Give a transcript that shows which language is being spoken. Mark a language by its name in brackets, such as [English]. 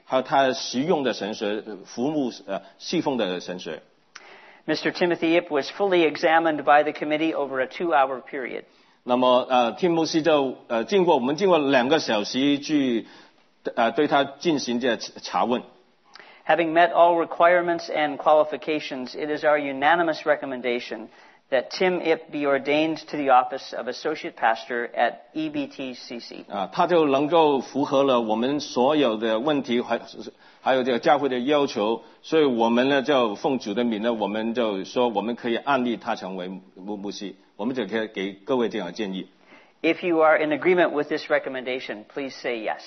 [Chinese] 还有他实用的神学，服务侍奉的神学。 [English] Mr. Timothy Ip was fully examined by the committee over a two-hour period. [Chinese] 那么Tim 牧师就经过两个小时去对他进行这查问。 [English] Having met all requirements and qualifications, it is our unanimous recommendation that Tim Ip be ordained to the office of Associate Pastor at EBTCC. [Chinese] 他就能够符合了我们所有的问题还有这个教会的要求，所以我们呢就奉主的名呢，我们就说我们可以案例他成为牧师，我们就可以给各位这样的建议。 [English] If you are in agreement with this recommendation, please say yes.